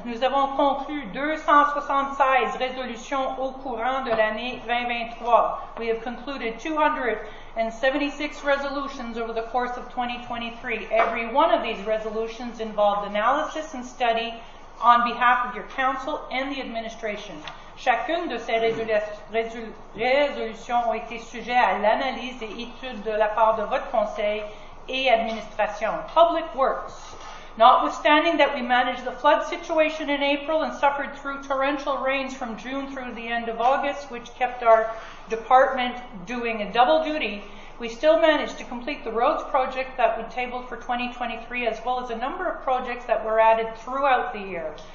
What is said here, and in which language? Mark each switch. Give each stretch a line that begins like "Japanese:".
French: Nous avons conclu 276 résolutions au courant de l'année 2023.
English: We have concluded 276 resolutions over the course of 2023. Every one of these resolutions involved analysis and study on behalf of your council and the administration.
French: Chacune de ces résolutions ont été sujets à l'analyse et étude de la part de votre conseil et administration.
English: Public Works. Notwithstanding that we managed the flood situation in April and suffered through torrential rains from June through the end of August, which kept our department doing a double duty, we still managed to complete the roads project that we tabled for 2023, as well as a number of projects that were added throughout the year.